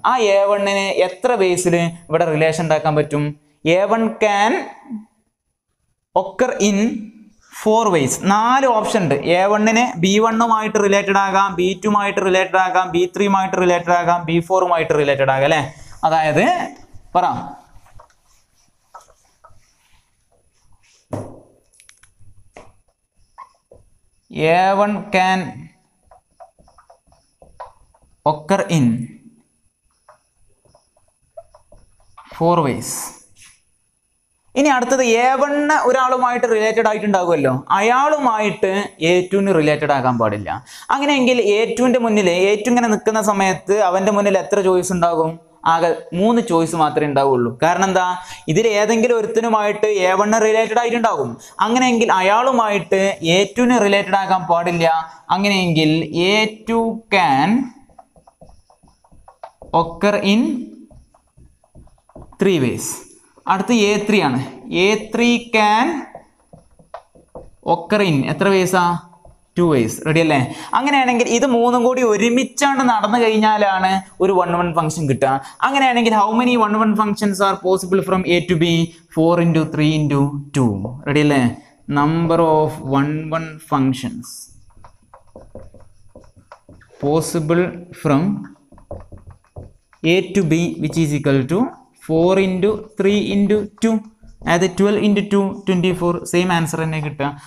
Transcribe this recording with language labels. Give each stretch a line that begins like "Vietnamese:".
Malayalam: ആ A1-നെ എത്ര ബേസിൽ ഇവിടെ റിലേഷൻ ഉണ്ടാക്കാൻ പറ്റും?
English: A1 can occur in 4 ways.
Malayalam: 4 option ഉണ്ട്. A1-നെ B1-മായിട്ട് റിലേറ്റഡ് ആകാം, B2-മായിട്ട് റിലേറ്റഡ് ആകാം, B3-മായിട്ട് റിലേറ്റഡ് ആകാം, B4-മായിട്ട് റിലേറ്റഡ് ആകാം അല്ലേ. അതായത് പറ,
English: A1 can occur in 4 ways.
Malayalam: ഇനി അടുത്തത് A1 ഒരാളുമായിട്ട് റിലേറ്റഡ് ആയിട്ടുണ്ടാകുമല്ലോ, അയാളുമായിട്ട് A2 റിലേറ്റഡ് ആകാൻ പാടില്ല. അങ്ങനെയെങ്കിൽ A2 മുന്നിൽ, A2 ഇങ്ങനെ നിൽക്കുന്ന സമയത്ത് അവൻ്റെ മുന്നിൽ എത്ര ചോയ്സ് ഉണ്ടാകും? ആകെ 3 ചോയ്സ് മാത്രമേ ഉണ്ടാവുള്ളൂ. കാരണം എന്താ, ഇതിൽ ഏതെങ്കിലും ഒരുത്തനുമായിട്ട് A1 റിലേറ്റഡ് ആയിട്ടുണ്ടാകും. അങ്ങനെയെങ്കിൽ അയാളുമായിട്ട് A2 റിലേറ്റഡ് ആകാൻ പാടില്ല. അങ്ങനെയെങ്കിൽ
English: A2 can occur in 3 ways.
Malayalam: അടുത്ത് A3 ആണ്.
English: A3 can occur in
Malayalam: എത്ര വേസാ? 2 ways. റെഡി അല്ലേ? അങ്ങനെയാണെങ്കിൽ ഇത് 3 കൂടി ഒരുമിച്ചാണ് നടന്നു കഴിഞ്ഞാലാണ് ഒരു 1-1 ഫംഗ്ഷൻ കിട്ടുക. അങ്ങനെയാണെങ്കിൽ
English: How many 1-1 functions are possible from A to B? 4 × 3 × 2.
Malayalam: Ready അല്ലേ?
English: number of 1-1 functions possible from A to B which is equal to 4 × 3 × 2,
Malayalam: അതായത്
English: 12 × 2 = 24.
Malayalam: സെയിം ആൻസർ തന്നെ കിട്ടുക.